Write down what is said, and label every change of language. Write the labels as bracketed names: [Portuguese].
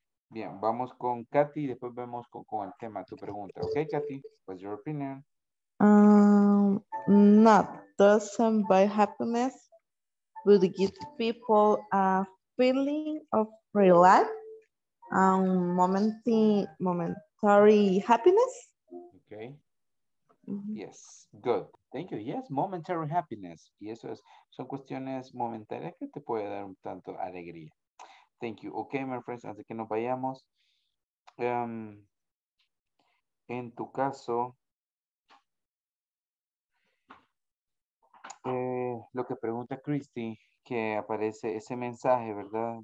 [Spanish] Bien, vamos con Katy y después vemos con el tema, tu pregunta. [English] Ok, Katy, what's your opinion? No, doesn't buy happiness, but give people a feeling of relief, momentary happiness. Ok. Yes, good. Thank you. Yes, momentary happiness. [Spanish] Y eso es, son cuestiones momentarias que te puede dar un tanto alegría. [English] Thank you. Okay, my friends, [Spanish] antes que nos vayamos. En tu caso, lo que pregunta Christy, que aparece ese mensaje, ¿verdad?